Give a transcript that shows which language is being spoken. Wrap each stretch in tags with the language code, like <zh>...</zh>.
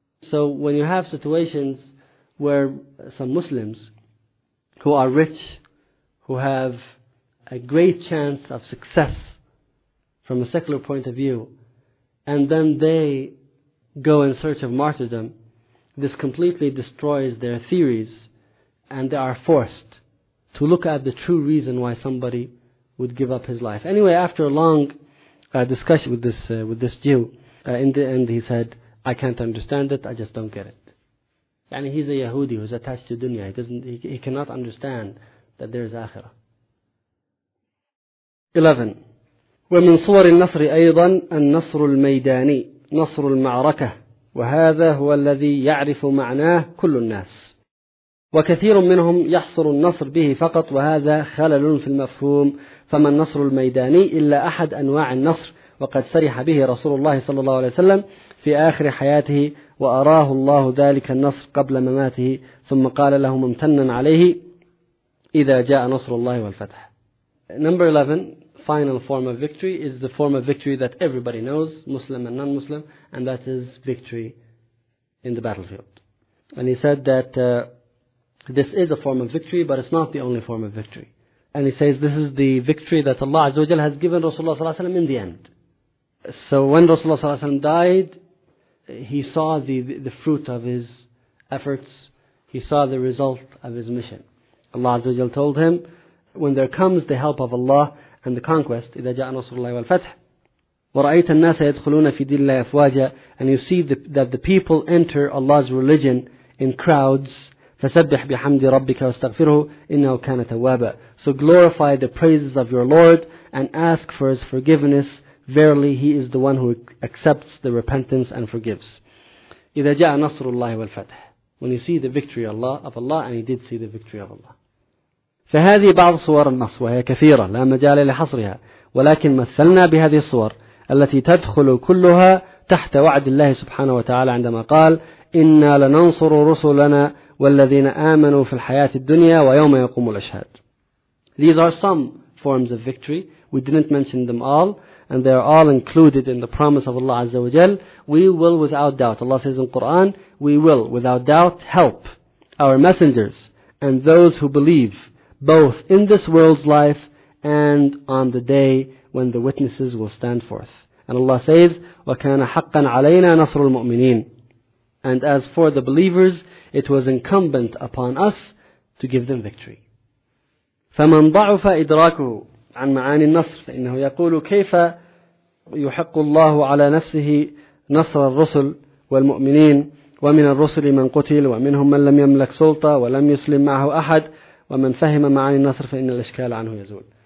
<en>So when you have situations where some Muslims who are rich, who have a great chance of success from a secular point of view, and then they go in search of martyrdom, this completely destroys their theories and they are forced to look at the true reason why somebody would give up his life. Anyway, after a long discussion with this Jew, in the end he said, I can't understand it, I just don't get it. And he's a Yahudi who's attached to dunya. He cannot understand that there is akhirah. 11.</en> <ar>وَمِنْ صُوَرِ النَّصْرِ أَيْضًا النَّصْرُ الْمَيْدَانِي نَصْرُ الْمَعْرَكَةِ وَهَذَا هُوَ الَّذِي يَعْرِفُ مَعْنَاهُ كُلُّ النَّاسِ وكثير منهم يحصر النصر به فقط وهذا خلل في المفهوم فما النصر الميداني إلا أحد أنواع النصر وقد سرح به رسول الله صلى الله عليه وسلم في آخر حياته وأراه الله ذلك النصر قبل مماته ثم قال له ممتنا عليه إذا جاء نصر الله والفتح.</ar> <en>Number 11, final form of victory is the form of victory that everybody knows, Muslim and non-Muslim, and that is victory in the battlefield. And he said that this is a form of victory, but it's not the only form of victory. And he says this is the victory that Allah Azza wa Jalla has given Rasulullah Sallallahu Alaihi Wasallam in the end. So when Rasulullah Sallallahu Alaihi Wasallam died, he saw the fruit of his efforts. He saw the result of his mission. Allah Azza wa Jalla told him, when there comes the help of Allah and the conquest,</en> <ar>إِذَا جَاءَ نَصْرُ اللَّهِ وَالْفَتْحِ وَرَأَيْتَ النَّاسَ يَدْخُلُونَ فِي دِينِ اللَّهِ أَفْوَاجًا.</ar> <en>And you see that the people enter Allah's religion in crowds.</en> <ar>فَسَبِّحْ بِحَمْدِ رَبِّكَ وَاسْتَغْفِرْهُ إِنَّهُ كَانَ تَوَّابًا.</ar> <en>So glorify the praises of your Lord and ask for His forgiveness. Verily, He is the one who accepts the repentance and forgives.</en> <ar>إِذَا جَاءَ نَصْرُ اللَّهِ وَالْفَتْحِ.</ar> <en>When you see the victory of Allah, and he did see the victory of Allah.</en> <ar>فهذه بعض صور النصر وهي كثيرة لا مجال لحصرها ولكن مثلنا بهذه الصور التي تدخل كلها تحت وعد الله سبحانه وتعالى عندما قال إنا لننصر رسلنا والذين آمنوا في الحياة الدنيا ويوم يقوم الأشهاد.</ar> <en>These are some forms of victory. We didn't mention them all and they are all included in the promise of Allah Azza wa Jal. We will without doubt, Allah says in the Quran, we will without doubt help our messengers and those who believe both in this world's life and on the day when the witnesses will stand forth. And Allah says,</en> <ar>وَكَانَ حَقًّا عَلَيْنَا نَصْرُ الْمُؤْمِنِينَ.</ar> <en>And as for the believers, it was incumbent upon us to give them victory.</en> <ar>فَمَنْ ضَعُفَ إِدْرَاكُهُ عَنْ مَعَانِ النَّصْرِ فَإِنَّهُ يَقُولُ كَيْفَ يُحَقُّ اللَّهُ عَلَى نَفْسِهِ نَصْرَ الرُّسُلِ وَالْمُؤْمِنِينَ وَمِنَ الرُّسُلِ مَنْ قُتِلَ وَمِنْهُمْ مَنْ لَمْ يَمْلَكْ سُلْطَةً وَلَمْ يُسْلِمْ مَعَهُ أَحَدٌ وَمَنْ فَهِمَ مَعَانِ النَّصْرِ فَإِنَّ الْإِشْكَالَ عَنْهُ يَزُولُ.</ar>